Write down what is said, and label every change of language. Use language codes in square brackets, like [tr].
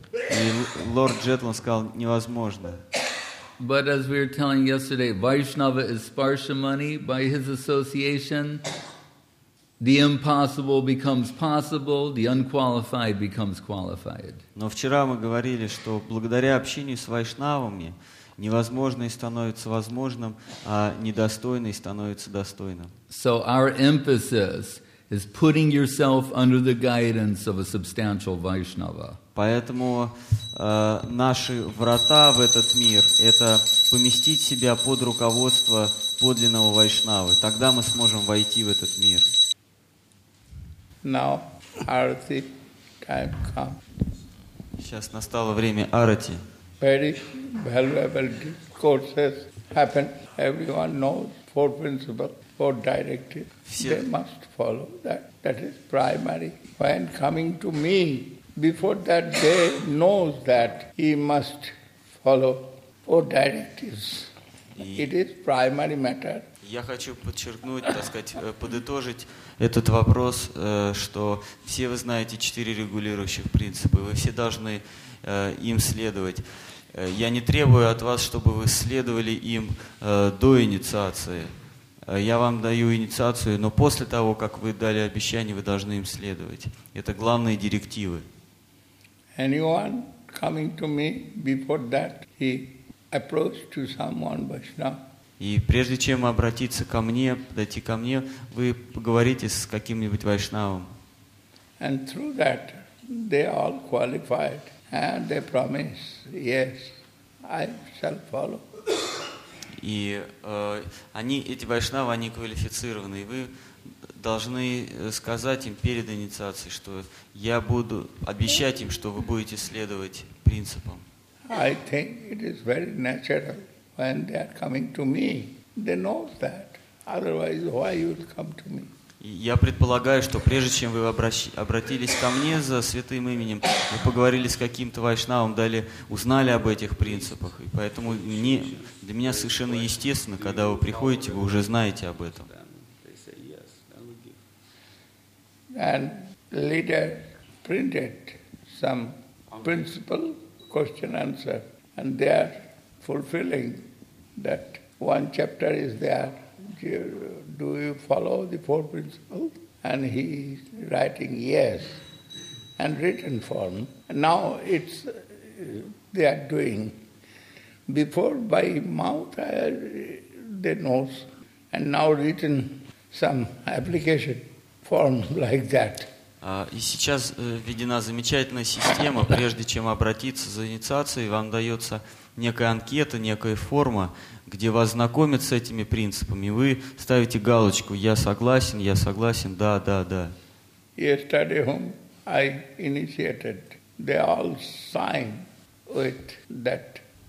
[ru] И лорд Джетлин сказал, невозможно. [en] But as we were telling yesterday, Vaishnava is Sparshamani. By his association, the impossible becomes possible, the unqualified becomes qualified. [ru] Но вчера мы говорили, что благодаря общению с Вайшнавами невозможное становится возможным, а недостойное становится достойным. [en] So our emphasis is putting yourself under the guidance of a substantial Vaishnava. [ru] Поэтому наши врата в этот мир — это поместить себя под руководство подлинного Вайшнавы. Тогда мы сможем войти в этот мир. [en] Now, arati time come. [ru] Сейчас настало время арати. [en] Very valuable discourses happen. Everyone knows four principles, four directives. [ru] Все. [en] They must follow that. That is primary. When coming to me, before that, they know that he must follow four directives. It is primary matter. [ru] Я хочу подчеркнуть, так сказать, подытожить этот вопрос, что все вы знаете четыре регулирующих принципа, вы все должны им следовать. Я не требую от вас, чтобы вы следовали им до инициации. Я вам даю инициацию, но после того, как вы дали обещание, вы должны им следовать. Это главные директивы. [en] Anyone coming to me before that, he approached to someone Vaishnava. [ru] И прежде чем обратиться ко мне, подойти ко мне, вы поговорите с каким-нибудь Вайшнавом. [en] And through that, they all qualified and they promise, yes, I shall follow. [ru] И они, эти Вайшнавы, они квалифицированы, и вы должны сказать им перед инициацией, что я буду обещать им, что вы будете следовать принципам. [en] I think it is very natural when they are coming to me. They know that. Otherwise, why you would come to me? [ru] Я предполагаю, что прежде чем вы обратились ко мне за святым именем, вы поговорили с каким-то вайшнавом, узнали об этих принципах. И поэтому для меня совершенно естественно, когда вы приходите, вы уже знаете об этом. [en] And leader printed some principle question answer, and they are fulfilling that one chapter is there. Do you follow the four principles? And he is writing yes, and written form. Now it's they are doing before by mouth they know, and now written some application. [ru] И сейчас введена замечательная система. Прежде чем обратиться за инициацией, вам дается некая анкета, некая форма, где вас знакомят с этими принципами. Вы ставите галочку «Я согласен, да, да, да». [en] Yesterday whom I initiated, they all sign with that,